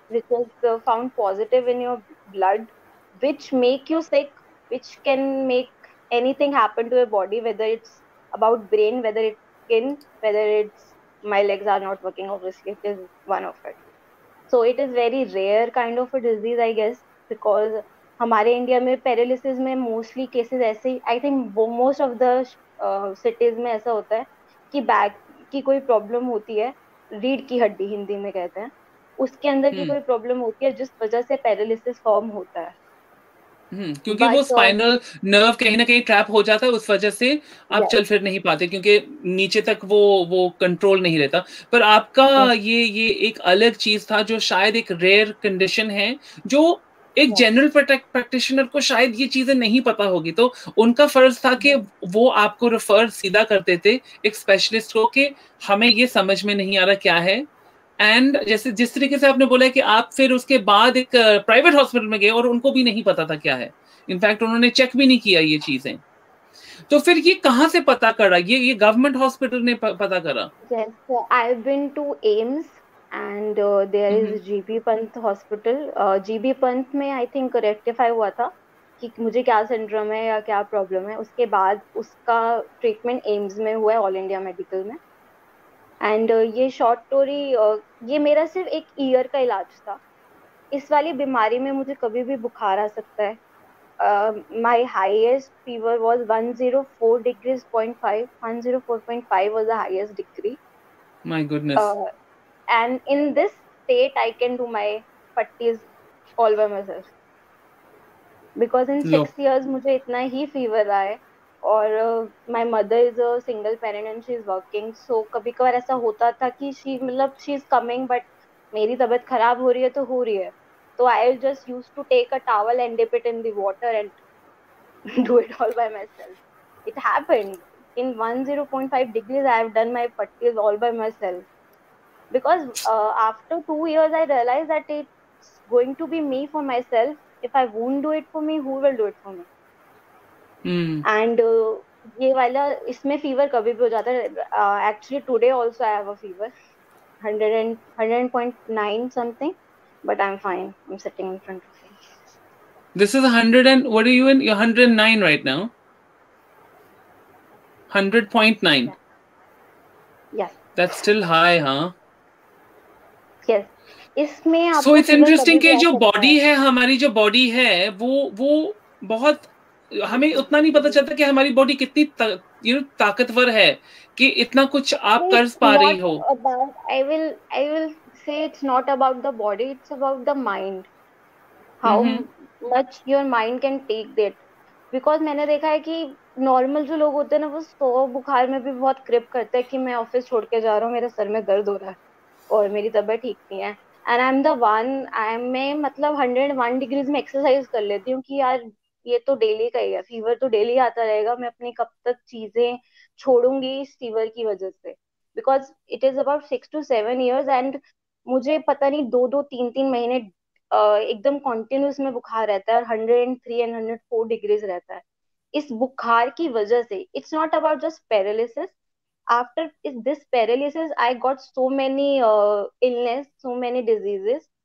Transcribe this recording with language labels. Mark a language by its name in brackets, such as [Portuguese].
[English] which is found positive in your blood, which make you sick, which can make anything happen to your body, whether it's about brain, whether it's skin, whether it's my legs are not working, obviously it is one of it. So it is very rare kind of a disease, I guess, because [Hindi] हमारे India में paralysis में mostly cases ऐसे, [English] I think most of the cities [Hindi] में ऐसा होता है कि back की कोई प्रॉब्लम होती है, रीढ़ की हड्डी हिंदी में कहते हैं, उसके अंदर की कोई प्रॉब्लम होती है जिस वजह से पैरालिसिस फॉर्म होता है. क्योंकि वो स्पाइनल नर्व कहीं ना कहीं ट्रैप हो जाता है, उस वजह से आप चल फिर नहीं पाते क्योंकि नीचे तक वो कंट्रोल नहीं रहता. पर आपका ये एक अलग चीज था जो शायद एक रेयर कंडीशन है जो एक जनरल प्रैक्टिशनर को शायद ये चीजें नहीं पता होगी, तो उनका फर्ज था कि वो आपको रेफर सीधा करते थे एक स्पेशलिस्ट को कि हमें ये समझ में नहीं आ रहा क्या है। एंड जैसे जिस तरीके से आपने बोला कि आप फिर उसके बाद एक प्राइवेट हॉस्पिटल में गए और उनको भी नहीं पता था क्या है, इनफैक्ट उन्होंने चेक भी नहीं किया ये चीजें, तो फिर ये कहां से पता करा, ये गवर्नमेंट हॉस्पिटल ने पता करा? [English] And there is GB Panth Hospital. [Hindi] GB Panth में [English] I think [Hindi] rectify हुआ था कि मुझे क्या syndrome है या क्या problem है. उसके बाद उसका treatment AIMS में हुआ है, All India Medical में. And ये short story, ये मेरा सिर्फ एक ear का इलाज था. इस वाली बीमारी में मुझे कभी भी बुखार आ सकता है. [English] My highest fever was 104.5 was the highest degree. My goodness. And in this state, I can do my patties all by myself. Because in 6 years, [Hindi] मुझे इतना ही fever रहा है, और [English] my mother is a single parent and she is working. [Hindi] So कभी कभार ऐसा होता था कि [English] she is coming, but [Hindi] मेरी तबीयत खराब हो रही है तो हो रही है. [English] तो I just used to take a towel and dip it in the water and do it all by myself. It happened. In 104.5 degrees, I have done my patties all by myself. Because after 2 years, I realized that it's going to be me for myself. If I won't do it for me, who will do it for me? [Hindi] And ye wala, isme fever kabhi bhi ho jata. [English] Actually, today also I have a fever. 100.9 something. But I'm fine. I'm sitting in front of you. This is 100 and what are you in? You're 109 right now. 100.9. Yes. Yeah. That's still high, huh? Yes. [Hindi] So it's interesting कि जो body है हमारी, जो body है वो बहुत, हमें उतना नहीं पता चलता कि हमारी बॉडी कितनी ताकतवर है कि इतना कुछ आप कर पा रही हो. [English] I will say it's not about the body, it's about the mind. How much your mind can take that. [Hindi] Because मैंने देखा है कि नॉर्मल जो लोग होते हैं ना, वो सो बुखार में भी बहुत क्रिप करते हैं कि मैं ऑफिस छोड़ के जा रहा हूँ, मेरे सर में दर्द हो रहा है और मेरी तबीयत ठीक नहीं है. [English] and I am the one, [Hindi] मैं मतलब 101 डिग्रीज में एक्सरसाइज कर लेती हूँ कि यार ये तो डेली का ही है, फीवर तो डेली आता रहेगा, मैं अपनी कब तक चीजें छोड़ूंगी इस फीवर की वजह से. [English] because it is about 6 to 7 years [Hindi] and मुझे पता नहीं दो दो तीन तीन महीने एकदम कॉन्टिन्यूस में बुखार रहता है और 103 and 104 डिग्रीज रहता है. इस बुखार की वजह से, [English] It's not about just paralysis. After this paralysis, I got so many illness, so many diseases.